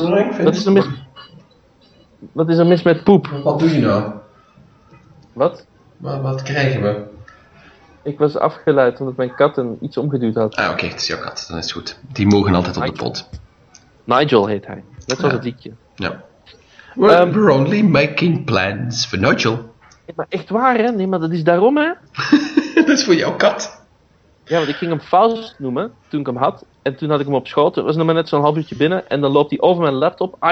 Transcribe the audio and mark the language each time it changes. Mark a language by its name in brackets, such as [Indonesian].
[Dutch] Nou, ik vind dat het is een Wat is er mis met poep? Wat doe je nou? Wat? Wat krijgen we? Ik was afgeleid omdat mijn kat een iets omgeduwd had. Ah, oké, het is jouw kat, dan is het goed. Die mogen altijd op de pot. Nigel heet hij. Net zoals het liedje. Ja. [English] We're only making plans for Nigel. [Dutch] Ja, maar echt waar, hè? Nee, maar dat is daarom, hè? Dat is voor jouw kat. Ja, want ik ging hem Faust noemen toen ik hem had. En toen had ik hem op schoot. Er was nog maar net zo'n half uurtje binnen. En dan loopt hij over mijn laptop.